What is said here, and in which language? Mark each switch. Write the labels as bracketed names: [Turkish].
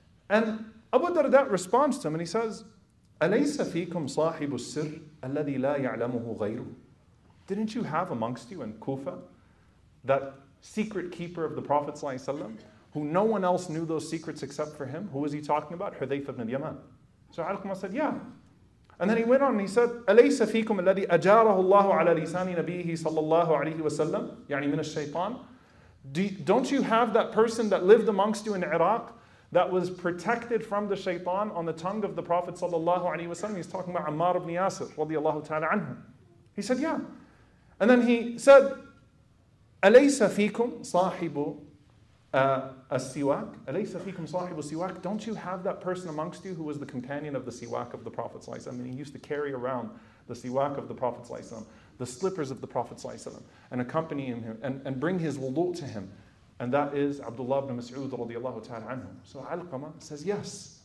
[English] And Abu Darda responds to him and he says, [Arabic] أَلَيْسَ فِيكُمْ صَاحِبُ السِّرِّ الَّذِي لَا يَعْلَمُهُ غَيْرُهُ. [English] Didn't you have amongst you in Kufa that secret keeper of the Prophet sallallahu alaihi wasallam, who no one else knew those secrets except for him? Who was he talking about? Hudhayfa ibn al-Yaman. So Alqama said, yeah. And then he went on and he said, [Arabic] أَلَيْسَ فِيكُمْ الَّذِي أَجَارَهُ اللَّهُ عَلَى لِسَانِ نَبِيهِ صَلَّى اللَّهُ عَلَيْهِ وَسَلَّمْ يعني من الشيطان. [English] Don't you have that person that lived amongst you in Iraq that was protected from the shaytan on the tongue of the Prophet sallallahu alaihi wasallam? He's talking about Ammar ibn Yasir radiallahu ta'ala anhu. He said, yeah. And then he said, [Arabic] أَلَيْسَ فِيكُمْ صَاحِبُ السِّوَاكِ أَلَيْسَ فِيكُمْ صَاحِبُ السِّوَاكِ. [English] Don't you have that person amongst you who was the companion of the siwak of the Prophet sallallahu alaihi wasallam? I mean, he used to carry around the siwak of the Prophet sallallahu alaihi wasallam, the slippers of the Prophet sallallahu alaihi wasallam, and accompany him and bring his wudu to him. And that is Abdullah ibn Mas'ud radiallahu ta'ala anhu. So Alqama says yes.